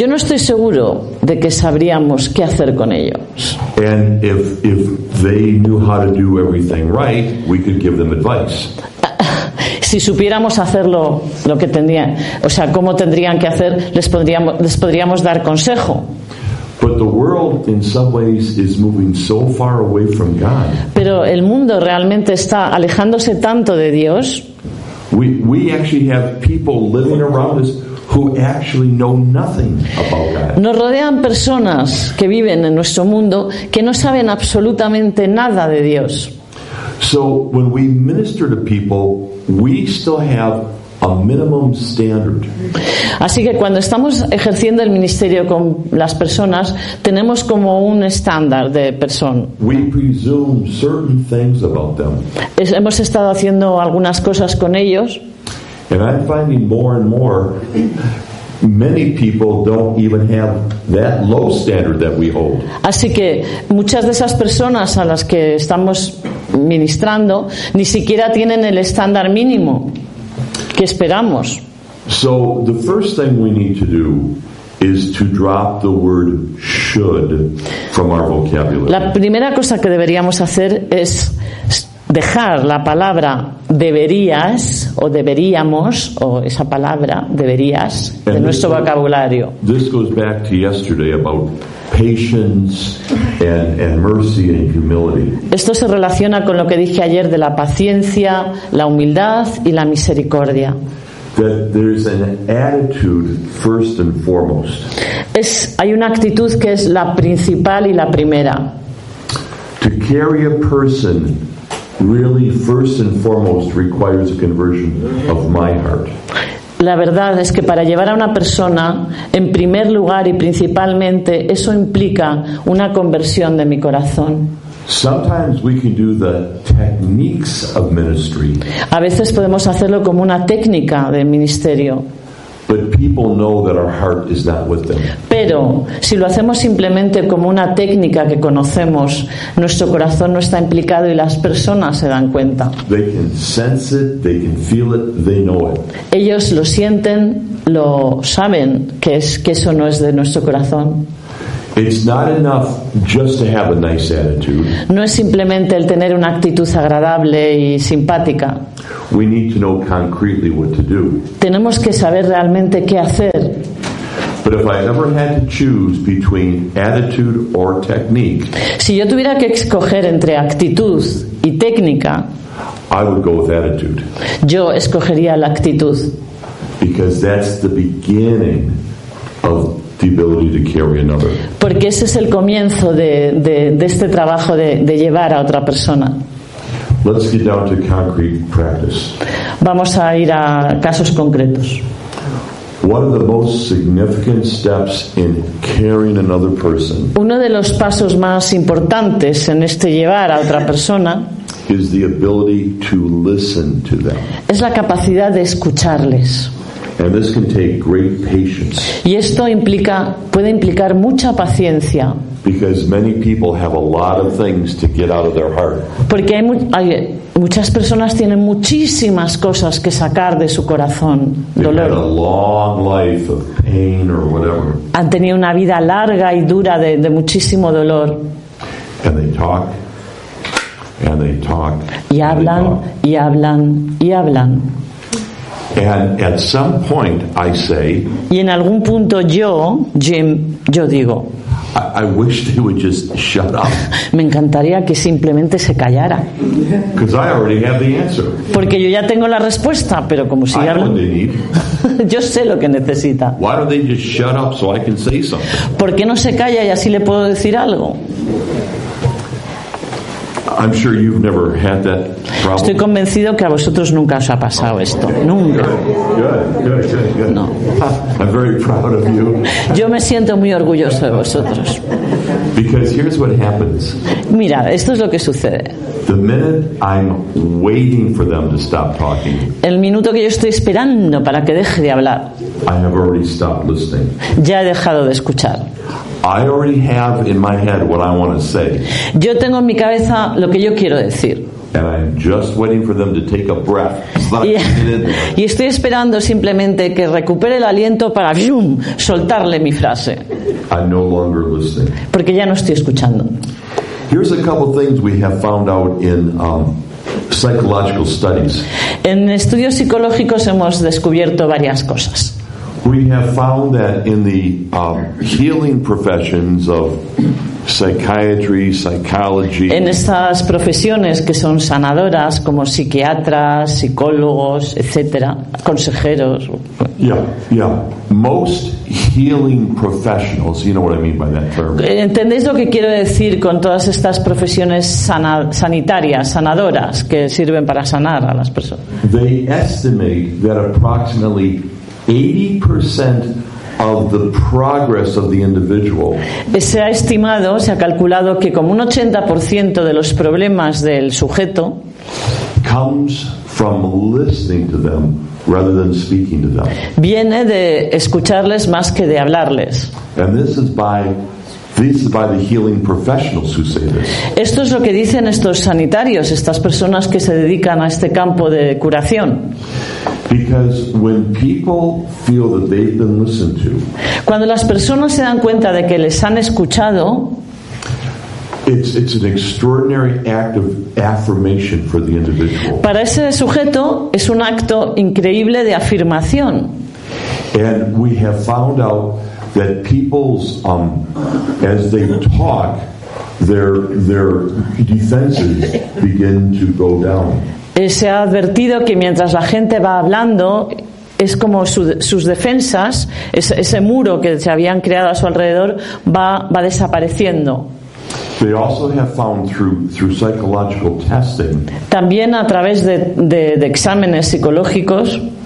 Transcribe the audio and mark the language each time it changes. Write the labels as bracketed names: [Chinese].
[Spanish] Yo no estoy seguro de que sabríamos qué hacer con ellos. [English] And if they knew how to do everything right, we could give them advice. [Spanish] Si supiéramos hacerlo, lo que tendrían, o sea, cómo tendrían que hacer, les podríamos dar consejo. [English] But the world in some ways is moving so far away from God. [Spanish] Pero el mundo realmente está alejándose tanto de Dios. [English] We actually have people living around us who actually know nothing about God. [Spanish] Nos rodean personas que viven en nuestro mundo que no saben absolutamente nada de Dios. [English] So when we minister to people, we still have a minimum standard. [Spanish] Así que cuando estamos ejerciendo el ministerio con las personas, tenemos como un estándar de persona. [English] We presume certain things about them. [Spanish] Hemos estado haciendo algunas cosas con ellos. [English] And I'm finding more and more many people don't even have that low standard that we hold. [Spanish] Así que muchas de esas personas a las que estamos ministrando ni siquiera tienen el estándar mínimo que esperamos. [English] So the first thing we need to do is to drop the word should from our vocabulary. [Spanish] La primera cosa que deberíamos hacer es dejar la palabra deberías o deberíamos o esa palabra deberías de [English] and [Spanish] nuestro vocabulario. [English] This goes back to yesterday about patience and mercy and humility. [Spanish] Esto se relaciona con lo que dije ayer de la paciencia, la humildad y la misericordia. [English] That there's an attitude first and foremost. [Spanish] Hay una actitud que es la principal y la primera. [English] To carry a person really first and foremost requires a conversion of my heart. [Spanish] La verdad es que para llevar a una persona, en primer lugar y principalmente, eso implica una conversión de mi corazón. [English] Sometimes we can do the techniques of ministry. [Spanish] A veces podemos hacerlo como una técnica del ministerio. [English] But people know that our heart is not with them. [Spanish] Pero si lo hacemos simplemente como una técnica que conocemos, nuestro corazón no está implicado y las personas se dan cuenta. [English] They can sense it, they can feel it, they know it. [Spanish] Ellos lo sienten, lo saben, que eso no es de nuestro corazón. [English] It's not enough just to have a nice attitude. [Spanish] No es simplemente el tener una actitud agradable y simpática. [English] We need to know concretely what to do. [Spanish] Tenemos que saber realmente qué hacer. [English] But if I ever had to choose between attitude or technique, [Spanish] si yo tuviera que escoger entre actitud y técnica, [English] I would go with attitude. [Spanish] Yo escogería la actitud. [English] Because that's the beginning of the ability to carry another. [Spanish] Porque ese es el comienzo de este trabajo de llevar a otra persona. [English] Let's get down to concrete practice. [Spanish] Vamos a ir a casos concretos. [English] One of the most significant steps in carrying another person. [Spanish] Uno de los pasos más importantes en este llevar a otra persona [English] is the ability to listen to them. [Spanish] Es la capacidad de escucharles. [English] And this can take great patience. [Spanish] Y esto implica, puede implicar mucha paciencia. [English] Because many people have a lot of things to get out of their heart. [Spanish] Porque hay muchas personas tienen muchísimas cosas que sacar de su corazón. [English] They've had a long life of pain or whatever. [Spanish] Han tenido una vida larga y dura de muchísimo dolor. [English] And they talk. And they talk. [Spanish] Y hablan, [English] and they talk. [Spanish] Y hablan, y hablan. [English] And at some point, I say. [Spanish] Y en algún punto yo, Jim, yo digo. [English] I wish they would just shut up. [Spanish] Me encantaría que simplemente se callara. [English] Because I already have the answer. [Spanish] Porque yo ya tengo la respuesta, pero como si ya lo. [English] I know what they need. [Spanish] Yo sé lo que necesita. [English] Why don't they just shut up so I can say something? [Spanish] ¿Por qué no se calla y así le puedo decir algo? [English] I'm sure you've never had that problem. [Spanish] Estoy convencido que a vosotros nunca os ha pasado esto. Nunca. [English] Good. No. I'm very proud of you. [Spanish] Yo me siento muy orgulloso de vosotros. [English] Because here's what happens. [Spanish] Mira, esto es lo que sucede. [English] The minute I'm waiting for them to stop talking. [Spanish] El minuto que yo estoy esperando para que deje de hablar. [English] I have already stopped listening. [Spanish] Ya he dejado de escuchar. [English] I already have in my head what I want to say. [Spanish] Yo tengo en mi cabeza lo que yo quiero decir. [English] And I'm just waiting for them to take a breath. [Spanish] Y estoy esperando simplemente que recupere el aliento para ¡vium!, soltarle mi frase. [English] I'm no longer listening. [Spanish] Porque ya no estoy escuchando. [English] Here's a couple things we have found out in psychological studies. [Spanish] En estudios psicológicos hemos descubierto varias cosas. [English] We have found that in the healing professions of psychiatry, psychology. [Spanish] En estas profesiones que son sanadoras, como psiquiatras, psicólogos, etcétera, consejeros. [English] Yeah. Most healing professionals. You know what I mean by that term. [Spanish] ¿Entendéis lo que quiero decir con todas estas profesiones sanitarias, sanadoras, que sirven para sanar a las personas? [English] They estimate that approximately 80% of the progress of the individual. [Spanish] Se ha estimado, se ha calculado que como un 80% de los problemas del sujeto [English] comes from listening to them rather than speaking to them. [Spanish] Viene de escucharles más que de hablarles. [English] And this is by the healing professionals who say this. [Spanish] Esto es lo que dicen estos sanitarios, estas personas que se dedican a este campo de curación. [English] Because when people feel that they've been listened to, [Spanish] cuando las personas se dan cuenta de que les han escuchado, [English] it's an extraordinary act of affirmation for the individual. [Spanish] Para ese sujeto es un acto increíble de afirmación. [English] And we have found out that people's as they talk, their defenses begin to go down. [Spanish] Se ha advertido que mientras la gente va hablando, es como sus defensas, ese muro que se habían creado a su alrededor, va desapareciendo. [English] They also have found through psychological testing, [Spanish] también a través de exámenes psicológicos,